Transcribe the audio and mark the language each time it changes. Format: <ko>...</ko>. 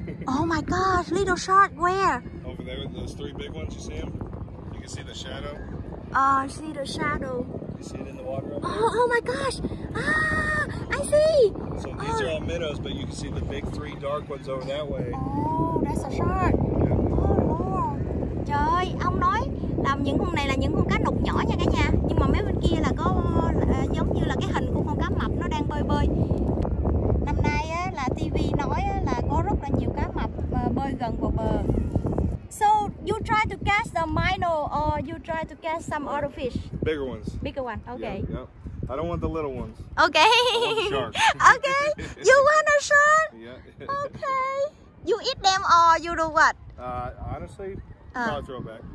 <en>Oh my gosh, little shark, where? Over there, with those three big ones, you see them? You can see the shadow. Oh, I see the shadow. You see it in the water up there? Oh my gosh! Ah, I see! So these are all minnows, but you can see the big three dark ones over that way. Oh, that's a shark. Yeah. Oh, no.</en> <vi>Trời ơi, ông nói là những con này là những con cá nục nhỏ nha cả nhà. Nhưng mà mấy bên kia là có giống như là cái hình của con cá mập nó đang bơi bơi. Năm nay á, là TV nói á, là có rất là nhiều cá mập bơi gần vào bờ.</vi> <en>So, you try to catch the minnow or you try to catch some other fish? Bigger ones. Bigger one, okay. Yep, yep. I don't want the little ones. Okay. I want the sharks. Okay. You want a shark? Yeah. Okay. You eat them or you do what? Honestly, I'll throw back.</en>